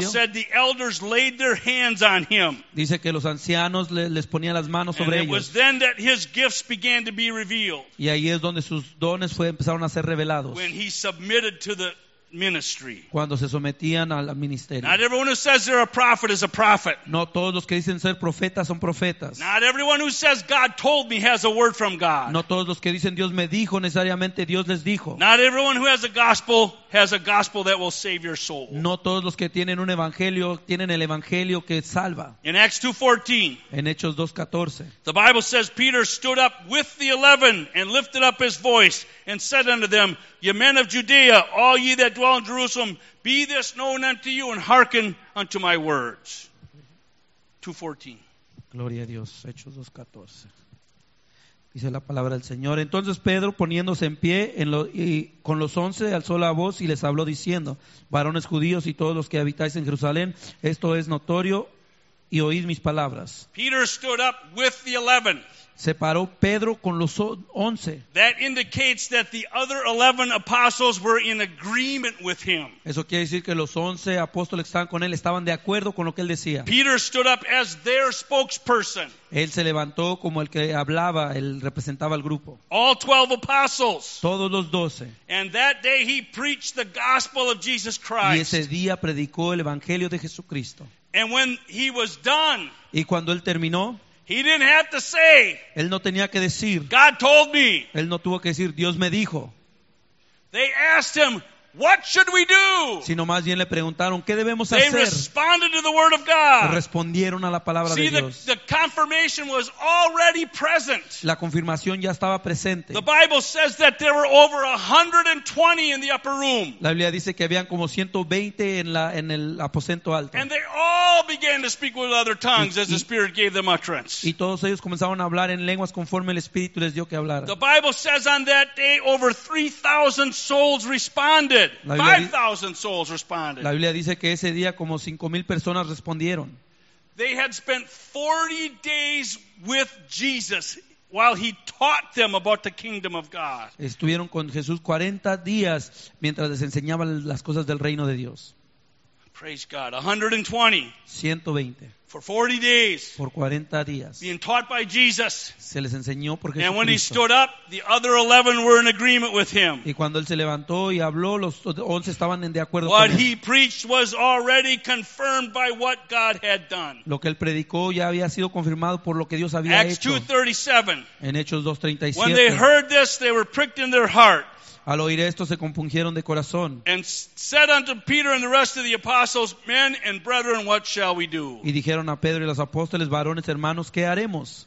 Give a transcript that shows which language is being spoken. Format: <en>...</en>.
<en>Paul said the elders laid their hands on him.</en> <es>Dice que los ancianos les ponían las manos sobre ellos.</es> <en>And it was then that his gifts began to be revealed.</en> <es>Y ahí es donde sus dones empezaron a ser revelados.</es> <en>When he submitted to the ministry.</en> <es>Cuando se sometían al ministerio.</es> <en>Not everyone who says they're a prophet is a prophet.</en> <es>No todos los que dicen ser profetas son profetas.</es> <en>Not everyone who says God told me has a word from God.</en> <es>No todos los que dicen Dios me dijo necesariamente Dios les dijo.</es> <en>Not everyone who has a gospel that will save your soul.</en> <es>No todos los que tienen un evangelio tienen el evangelio que salva.</es> <en>In Acts 2:14.</en> <es>En Hechos 2:14.</es> <en>The Bible says Peter stood up with the 11 and lifted up his voice and said unto them, ye men of Judea, all ye that dwell in Jerusalem, be this known unto you and hearken unto my words. 2:14.</en> <es>Gloria a Dios. Hechos 2:14. Dice la palabra del Señor. Entonces Pedro, poniéndose en pie y con los 11, alzó la voz y les habló diciendo, varones judíos y todos los que habitáis en Jerusalén, esto es notorio y oíd mis palabras.</es> <en>Peter stood up with the 11.</en> <es>Se paró Pedro con los 11.</es> <en>That indicates that the other 11 apostles were in agreement with him.</en> <es>Eso quiere decir que los 11 apóstoles que estaban con él estaban de acuerdo con lo que él decía.</es> <en>Peter stood up as their spokesperson.</en> <es>Él se levantó como el que hablaba, él representaba al grupo.</es> <en>All 12 apostles.</en> <es>Todos los 12.</es> <en>And that day he preached the gospel of Jesus Christ.</en> <es>Y ese día predicó el evangelio de Jesucristo.</es> <en>And when he was done,</en> <es>y cuando él terminó,</es> <en>he didn't have to say,</en> <es>él no tenía que decir,</es> <en>God told me.</en> <es>Él no tuvo que decir, Dios me dijo.</es> <en>They asked him, what should we do?</en> <es>Sino más bien le preguntaron, ¿qué debemos</es> <en>they</en> <es>hacer?</es> <en>Responded to the word of God.</en> <es>Respondieron a la palabra</es> <en>See,</en> <es>de Dios.</es> <en>The confirmation was already present.</en> <es>La confirmación ya estaba presente.</es> <en>The Bible says that there were over 120 in the upper room.</en> <es>La Biblia dice que habían como 120 en el aposento alto.</es> <en>And they all began to speak with other tongues as the Spirit gave them utterance.</en> <es>Y todos ellos comenzaron a hablar en lenguas conforme el Espíritu les dio que hablar.</es> <en>The Bible says on that day over 3,000 souls responded. 5,000 souls responded.</en> <es>La Biblia dice que ese día como 5,000 personas respondieron.</es> <en>They had spent 40 days with Jesus while he taught them about the kingdom of God.</en> <es>Estuvieron con Jesús 40 días mientras les enseñaba las cosas del reino de Dios.</es> <en>Praise God. 120. 120. For 40 days.</en> <es>Por 40 días.</es> <en>Being taught by Jesus.</en> <es>Se les enseñó por</es> <en>Jesucristo. And when he stood up, the other 11 were in agreement with him.</en> <es>Y cuando él se levantó y habló, los 11 estaban de acuerdo con él.</es> <en>What he preached was already confirmed by what God had done.</en> <es>Lo que él predicó ya había sido confirmado por lo que Dios había hecho.</es> <en>Acts 2:37.</en> <es>En Hechos 2:37.</es> <en>When they heard this, they were pricked in their heart.</en> <es>Al oír esto, se compungieron de corazón.</es> <en>And said unto Peter and the rest of the apostles, men and brethren, what shall we do?</en> <es>Y dijeron a Pedro y los apóstoles, varones, hermanos, ¿qué haremos?</es>